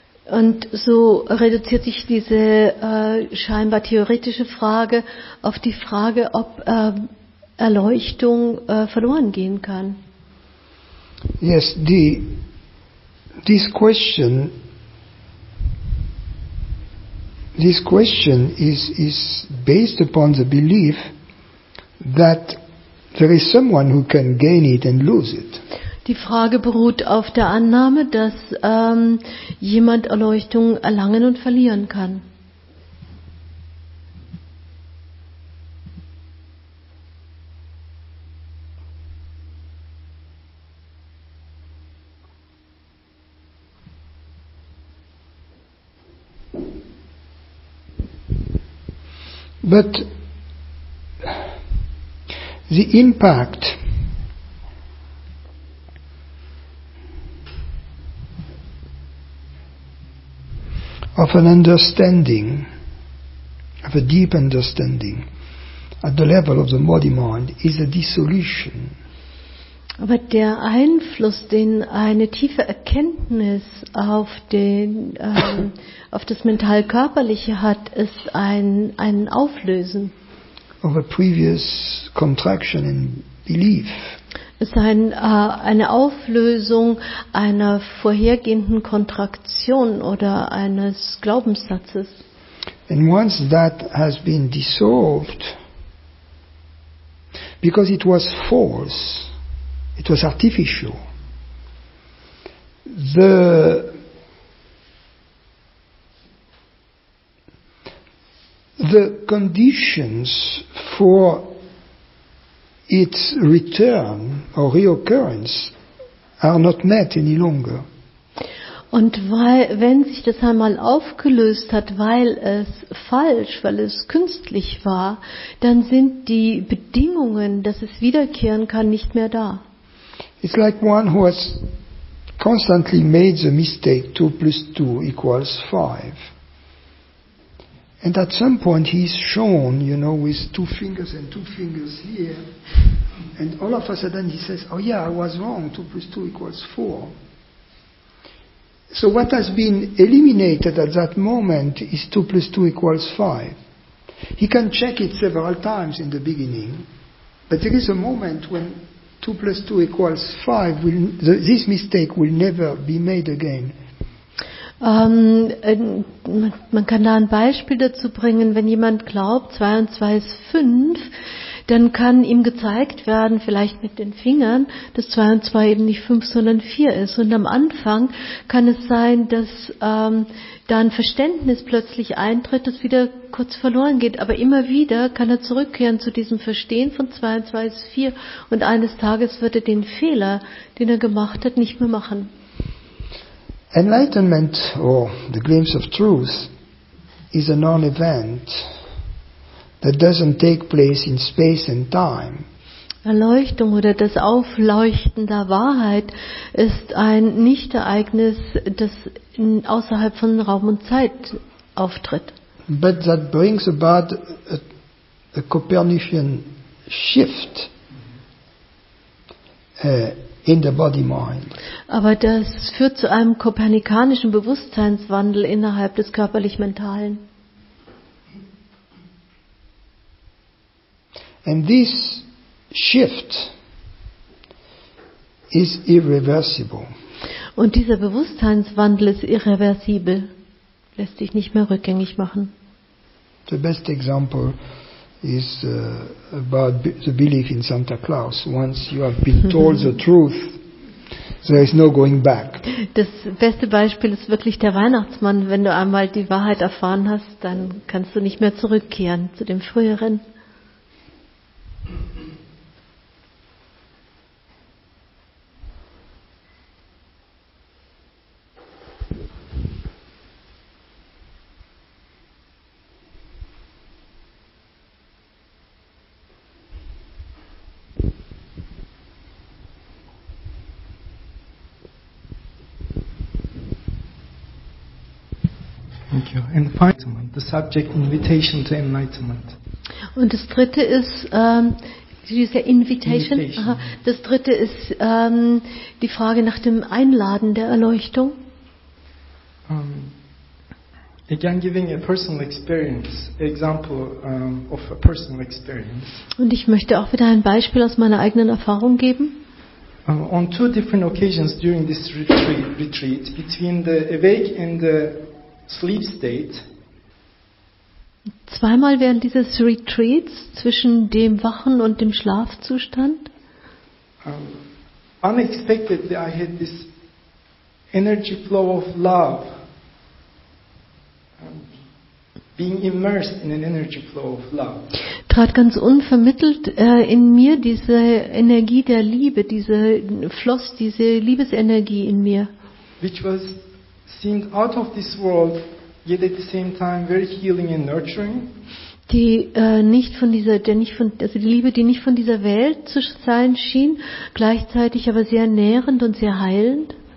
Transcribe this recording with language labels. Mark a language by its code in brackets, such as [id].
[de] Und so reduziert sich diese scheinbar theoretische Frage auf die Frage, ob Erleuchtung verloren gehen kann. [en] Yes, this question is based upon the belief that there is someone who can gain it and lose it. [de] Die Frage beruht auf der Annahme, dass jemand Erleuchtung erlangen und verlieren kann. [en] But the impact of an understanding, of a deep understanding, at the level of the body-mind, is a dissolution. [de] Aber der Einfluss, den eine tiefe Erkenntnis auf den auf das Mental-Körperliche hat, ist ein Auflösen. [en] Of a previous contraction in belief. [de] Ist eine Auflösung einer vorhergehenden Kontraktion oder eines Glaubenssatzes. [en] And once that has been dissolved, because it was false, it was artificial, the conditions for its return or reoccurrence are not met any longer. [de] Und wenn sich das einmal aufgelöst hat, weil es falsch, weil es künstlich war, dann sind die Bedingungen, dass es wiederkehren kann, nicht mehr da. [en] It's like one who has constantly made the mistake 2 plus 2 equals 5. And at some point he's shown, you know, with two fingers here. And all of a sudden he says, oh yeah, I was wrong, 2 plus 2 equals 4. So what has been eliminated at that moment is 2 plus 2 equals 5. He can check it several times in the beginning, but there is a moment when 2 plus 2 equals 5, this mistake will never be made again. [de] Man kann da ein Beispiel dazu bringen, wenn jemand glaubt, 2 und 2 ist 5, dann kann ihm gezeigt werden, vielleicht mit den Fingern, dass 2 und 2 eben nicht 5, sondern 4 ist. Und am Anfang kann es sein, dass da ein Verständnis plötzlich eintritt, das wieder kurz verloren geht. Aber immer wieder kann er zurückkehren zu diesem Verstehen von 2 und 2 ist 4 und eines Tages wird er den Fehler, den er gemacht hat, nicht mehr machen. [en] Enlightenment, or the glimpse of truth, is a non-event that doesn't take place in space and time. [de] Erleuchtung oder das Aufleuchten der Wahrheit ist ein Nichtereignis, das außerhalb von Raum und Zeit auftritt. [en] But that brings about a Copernican shift in the body mind. [de] Aber das führt zu einem kopernikanischen Bewusstseinswandel innerhalb des körperlich-mentalen. [en] And this shift is irreversible. [de] Und dieser Bewusstseinswandel ist irreversibel. Lässt sich nicht mehr rückgängig machen. [en] The best example is about the belief in Santa Claus. Once you have been told the truth, there is no going back. [de] Das beste Beispiel ist wirklich der Weihnachtsmann. Wenn du einmal die Wahrheit erfahren hast, dann kannst du nicht mehr zurückkehren zu dem früheren. [en] Thank you. Thank you. Enlightenment, the subject invitation to enlightenment. [de] Und das dritte ist diese Invitation. Das dritte ist die Frage nach dem Einladen der Erleuchtung. [en] Again, giving a personal experience, example of a personal experience. [de] Und ich möchte auch wieder ein Beispiel aus meiner eigenen Erfahrung geben. [en] On two different occasions during this retreat, between the awake and the sleep state. [de] Zweimal während dieses Retreats zwischen dem Wachen und dem Schlafzustand. [en] Unexpectedly, I had this energy flow of love. Being immersed in an energy flow of love. [de] Trat ganz unvermittelt in mir diese Energie der Liebe, diese floss diese Liebesenergie in mir. [en] Which was seemed out of this world, yet at the same time very healing and nurturing. [de] Die nicht von dieser, der nicht von, also die Liebe, die nicht von dieser Welt zu sein schien, gleichzeitig aber sehr nährend und sehr heilend.